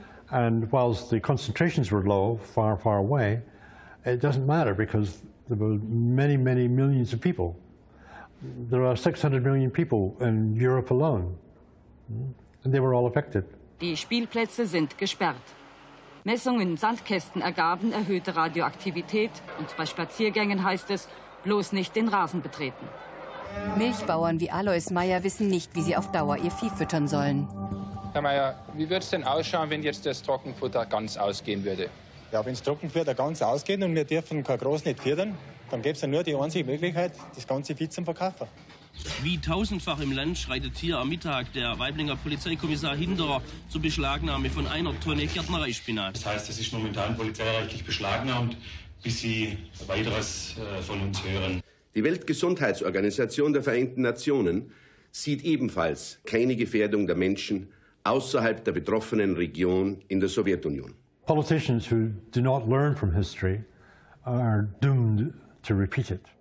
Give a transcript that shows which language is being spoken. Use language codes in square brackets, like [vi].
[en] And whilst the concentrations were low, far, far away, it doesn't matter because there were many, many millions of people. There are 600 million people in Europe alone, and they were all affected. [de] Die Spielplätze sind gesperrt. Messungen in Sandkästen ergaben erhöhte Radioaktivität, und bei Spaziergängen heißt es, bloß nicht den Rasen betreten. Milchbauern wie Alois Meyer wissen nicht, wie sie auf Dauer ihr Vieh füttern sollen. Herr Meyer, wie würde es denn ausschauen, wenn jetzt das Trockenfutter ganz ausgehen würde? Ja, wenn das Trockenfutter ganz ausgeht und wir dürfen kein Gras nicht füttern, dann gäbe es ja nur die einzige Möglichkeit, das ganze Vieh zum Verkaufen. Wie tausendfach im Land schreitet hier am Mittag der Waiblinger Polizeikommissar Hinderer zur Beschlagnahme von einer Tonne Gärtnereispinat. Das heißt, es ist momentan polizeirechtlich beschlagnahmt, bis Sie weiteres von uns hören. Die Weltgesundheitsorganisation der Vereinten Nationen sieht ebenfalls keine Gefährdung der Menschen außerhalb der betroffenen Region in der Sowjetunion. [en] Politicians who do not learn from history are doomed to repeat it.